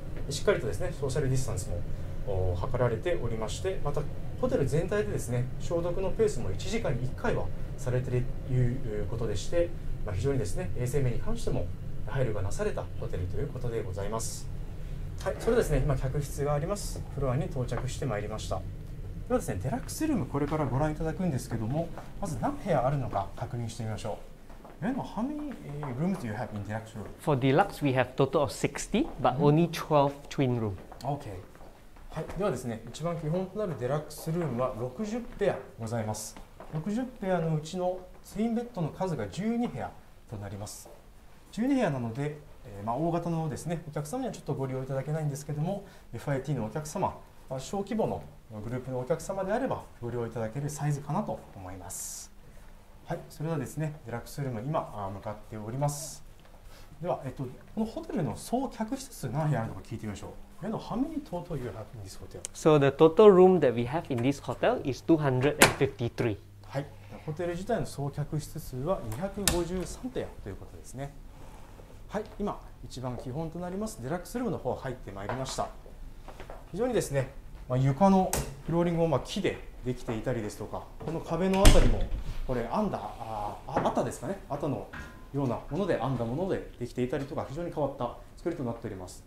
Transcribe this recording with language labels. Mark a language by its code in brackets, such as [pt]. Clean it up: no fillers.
[ja] しっかりとですね、ソーシャルディスタンスも測られておりまして、またホテル全体でですね、消毒のペースも1時間に1回はされているということでして、まあ、非常にですね、衛生面に関しても配慮がなされたホテルということでございます。はい、それですね、今客室がありますフロアに到着してまいりました。ではですね、デラックスルームこれからご覧いただくんですけども、まず何部屋あるのか確認してみましょう。 [en] Then how many rooms do you have in deluxe room? For deluxe, we have total of 60, but only 12 twin room. Okay. [ja] はい、ではですね、一番基本となるデラックスルームは60部屋ございます。 60部屋のうちのツインベッドの数が12部屋となります。 12部屋なので、まあ、大型のですね、お客様にはちょっとご利用いただけないんですけども、 FIT のお客様、まあ、小規模のグループのお客様であればご利用いただけるサイズかなと思います。はい、それではですね、デラックスルーム今向かっております。では、このホテルの総客室数何部屋あるのか聞いてみましょう。 [en] How many total you have in this hotel? So the total room that we have in this hotel is 253. [ja] はい、ホテル自体の総客室数は253部屋ということですね。はい、今一番基本となりますデラックスルームの方入ってまいりました。非常にですね、まあ、床のフローリングも、まあ、木でできていたりですとか、この壁のあたりもこれアンダーアタですかね、アタのようなものでアンダーものでできていたりとか、非常に変わった作りとなっております。